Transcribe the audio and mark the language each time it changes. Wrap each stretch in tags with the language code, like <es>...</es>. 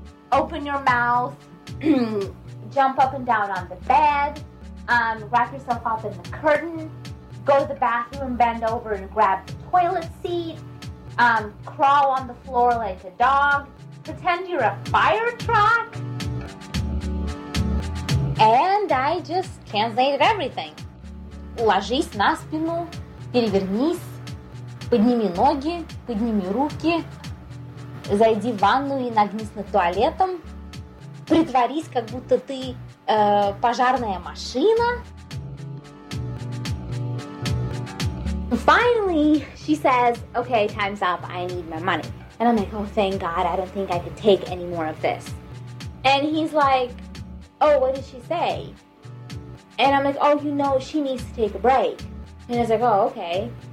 <en>Open your mouth, jump up and down on the bed, wrap yourself up in the curtain, go to the bathroom, bend over and grab the toilet seat, crawl on the floor like a dog, pretend you're a fire truck. And I just translated everything.</en> <ru>Ложись на спину, перевернись, подними ноги, подними руки. Зайди в ванну и нагнись над туалетом. Притворись, как будто ты пожарная машина.</ru> <en>Finally, she says, okay, time's up, I need my money. And I'm like, oh, thank God, I don't think I could take any more of this. And he's like, oh, what did she say? And I'm like, oh, you know, she needs to take a break. And he's like, oh, okay.</en>